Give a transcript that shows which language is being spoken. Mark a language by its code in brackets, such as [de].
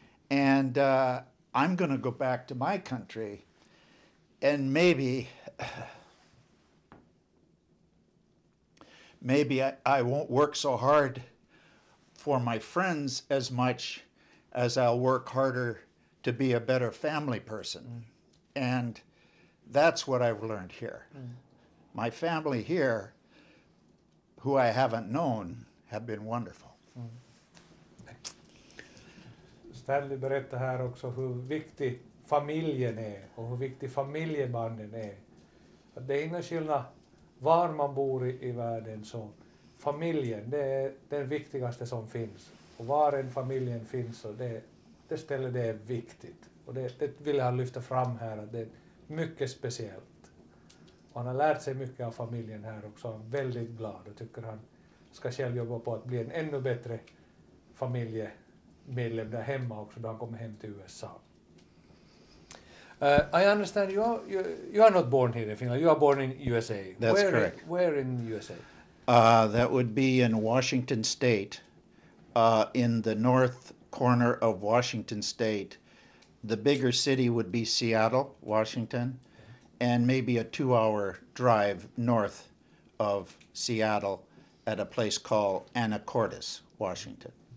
[en] And I'm going to go back to my country, and maybe I won't work so hard for my friends as much as I'll work harder to be a better family person. And that's what I've learned here. My family here, who I haven't known, have been wonderful. [sv] Stanley berättar här också hur viktig familjen är och hur viktig familjebanden är. Att det är ingen skillnad var man bor i världen, så familjen, det är den viktigaste som finns. Och var en familjen finns, så det ställer det är viktigt. Och det vill jag lyfta fram här, att det mycket speciellt. Och han har lärt sig mycket av familjen här också. Han är väldigt glad och tycker han ska själv jobba på att bli en ännu bättre familjemedlem där hemma också då han kommer hem till USA. [en] I understand you are not born here in Finland. You are born in USA. That's correct. Where in USA? That would be in Washington State, in the north corner of Washington State. The bigger city would be Seattle, Washington, and maybe a 2-hour drive north of Seattle at a place called Anacortes, Washington.